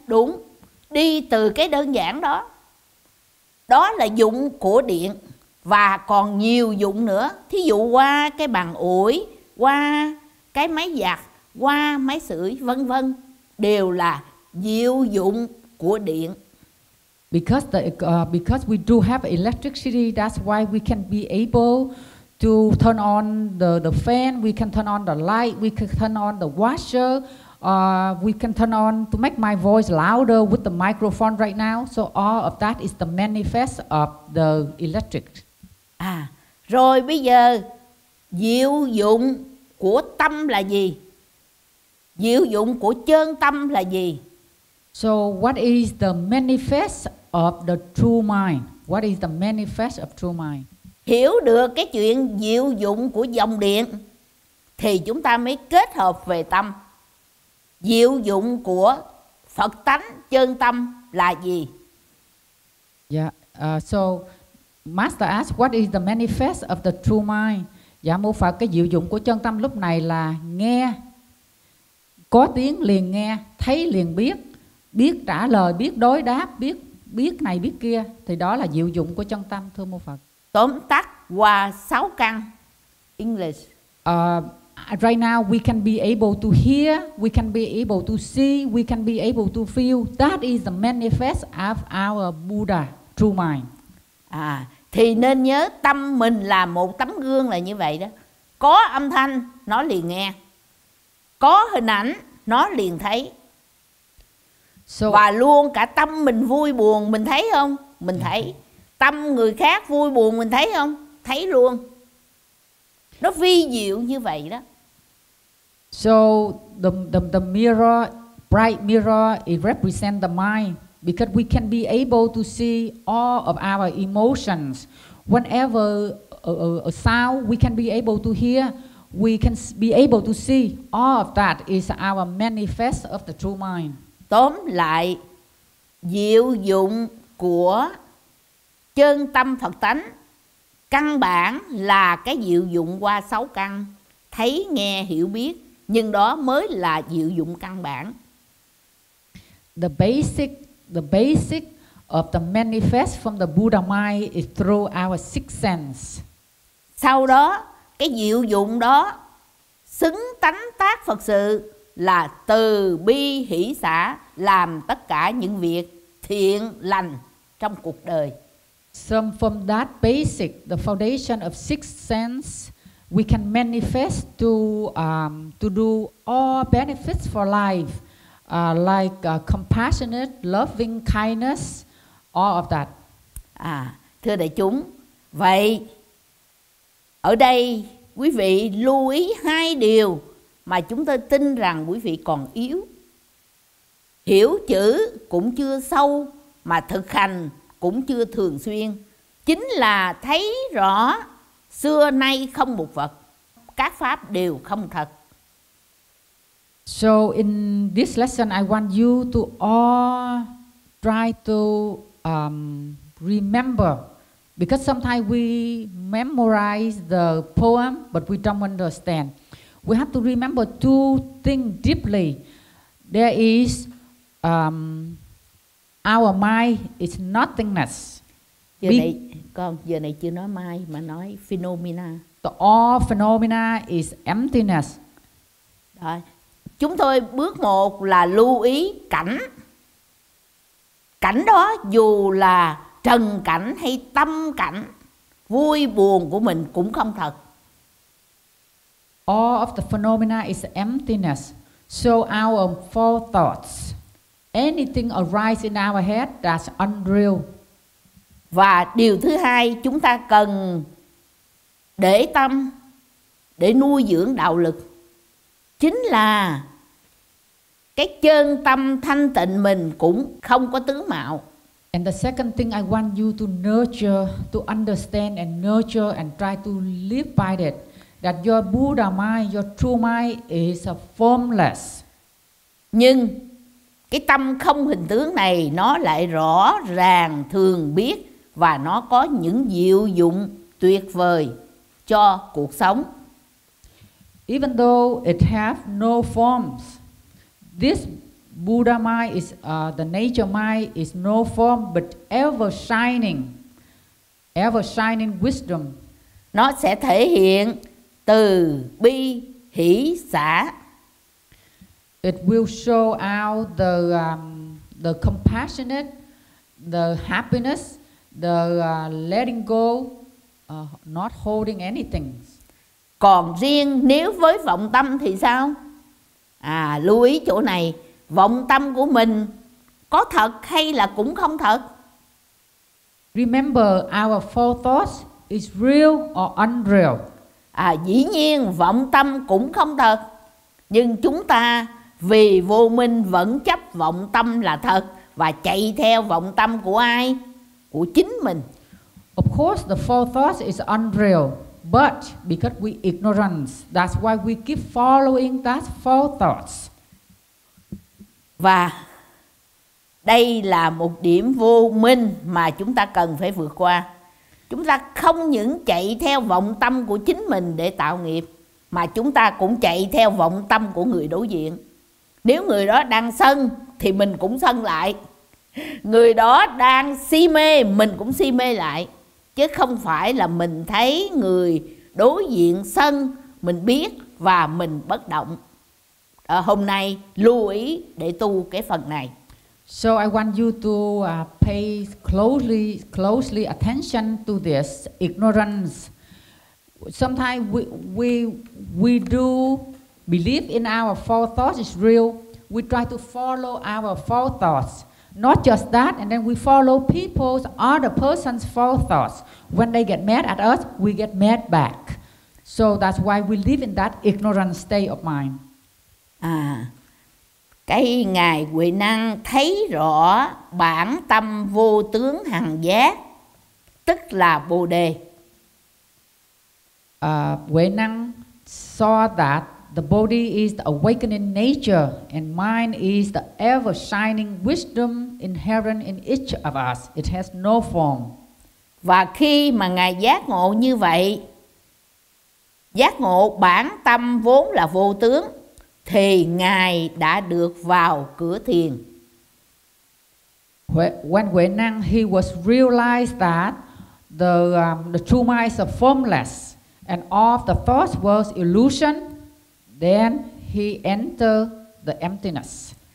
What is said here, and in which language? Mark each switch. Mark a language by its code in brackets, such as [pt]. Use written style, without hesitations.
[vi] Đúng, đi từ cái đơn giản đó. Đó là dụng của điện. Và còn nhiều dụng nữa. Thí dụ qua cái bàn ủi, qua cái máy giặt, qua máy sưởi vân vân, đều là diệu dụng của điện. [en] Because the because we do have electricity, that's why we can be able to turn on the fan, we can turn on the light, we can turn on the washer, we can turn on to make my voice louder with the microphone right now. So all of that is the manifest of the electric. [vi] À, rồi bây giờ diệu dụng của tâm là gì? Diệu dụng của chân tâm là gì? [en] So what is the manifest of the true mind? What is the manifest of true mind? [vi] Hiểu được cái chuyện diệu dụng của dòng điện thì chúng ta mới kết hợp về tâm. Diệu dụng của Phật tánh chân tâm là gì? [en] Yeah, so Master asked what is the manifest of the true mind? [vi] Dạ mô Phật, cái diệu dụng của chân tâm lúc này là nghe. Có tiếng liền nghe, thấy liền biết, biết trả lời, biết đối đáp, biết biết này biết kia. Thì đó là diệu dụng của chân tâm, thưa mô Phật. Tóm tắt qua 6 căn. English. [en] Right now we can be able to hear, we can be able to see, we can be able to feel. That is the manifest of our Buddha, true mind. [vi] À, thì nên nhớ tâm mình là một tấm gương là như vậy đó. Có âm thanh, nó liền nghe. Có hình ảnh, nó liền thấy. So, và luôn cả tâm mình vui buồn, mình thấy không? Mình thấy. Tâm người khác vui buồn, mình thấy không? Thấy luôn. Nó vi diệu như vậy đó. [en] So, the mirror, bright mirror, it represents the mind. Because we can be able to see all of our emotions. whenever a sound we can be able to hear, we can be able to see, all of that is our manifest of the true mind. [vi] Tóm lại, diệu dụng của chân tâm Phật tánh căn bản là cái diệu dụng qua sáu căn, thấy, nghe, hiểu, biết, nhưng đó mới là diệu dụng căn bản. [en] The basic of the manifest from the Buddha mind is through our six sense. [vi] Sau đó, cái diệu dụng đó xứng tánh tác Phật sự là từ bi hỷ xả, làm tất cả những việc thiện lành trong cuộc đời. [en] So from that basic, the foundation of six sense, we can manifest to do all benefits for life, compassionate, loving kindness, all of that. [vi] À, thưa đại chúng, vậy ở đây quý vị lưu ý hai điều mà chúng tôi tin rằng quý vị còn yếu. Hiểu chữ cũng chưa sâu mà thực hành cũng chưa thường xuyên, chính là thấy rõ xưa nay không một vật, các pháp đều không thật. [en] So in this lesson I want you to all try to remember, because sometimes we memorize the poem but we don't understand. We have to remember two things deeply. There is our mind is nothingness. [vi] Giờ này chưa nói mind mà nói phenomena. [en] The all phenomena is emptiness. [vi] Đó. Chúng tôi bước một là lưu ý cảnh. Cảnh đó dù là trần cảnh hay tâm cảnh, vui buồn của mình cũng không thật. [en] All of the phenomena is emptiness. So our four thoughts, anything arise in our head that's unreal. [vi] Và điều thứ hai, chúng ta cần để tâm, để nuôi dưỡng đạo lực, chính là cái chân tâm thanh tịnh mình cũng không có tướng mạo. [en] And the second thing I want you to nurture, to understand and nurture and try to live by it, that your Buddha mind, your true mind is formless. [vi] Nhưng cái tâm không hình tướng này nó lại rõ ràng thường biết và nó có những diệu dụng tuyệt vời cho cuộc sống. [en] Even though it have no forms, this Buddha mind is the nature mind is no form but ever shining wisdom. [vi] Nó sẽ thể hiện từ bi hỷ xả. [en] It will show out the compassionate, the happiness, the letting go, not holding anything. [vi] Còn riêng nếu với vọng tâm thì sao? À, lưu ý chỗ này, vọng tâm của mình có thật hay là cũng không thật? [en] Remember, our four thoughts is real or unreal. [vi] À, dĩ nhiên vọng tâm cũng không thật, nhưng chúng ta vì vô minh vẫn chấp vọng tâm là thật và chạy theo vọng tâm của ai? Của chính mình. [en] Of course the four thoughts is unreal, but because we ignorance, that's why we keep following that four thoughts. [vi] Và đây là một điểm vô minh mà chúng ta cần phải vượt qua. Chúng ta không những chạy theo vọng tâm của chính mình để tạo nghiệp, mà chúng ta cũng chạy theo vọng tâm của người đối diện. Nếu người đó đang sân thì mình cũng sân lại. Người đó đang si mê, mình cũng si mê lại. Chứ không phải là mình thấy người đối diện sân, mình biết và mình bất động. À, hôm nay lưu ý để tu cái phần này. [en] So I want you to pay closely attention to this ignorance. Sometimes we do believe in our four thoughts is real. We try to follow our four thoughts. Not just that, and then we follow people's other person's four thoughts. When they get mad at us, we get mad back. So that's why we live in that ignorant state of mind. [vi] À, cái ngài Huệ Năng thấy rõ bản tâm vô tướng hằng giác, tức là Bồ Đề. [en] Huệ Năng saw that the body is the awakening nature and mind is the ever shining wisdom inherent in each of us. It has no form. [vi] Và khi mà ngài giác ngộ như vậy, giác ngộ bản tâm vốn là vô tướng, thì ngài đã được vào cửa thiền. [en] When Huệ Năng he was realized that the true mind is formless and all the thoughts were illusion, then he entered the emptiness.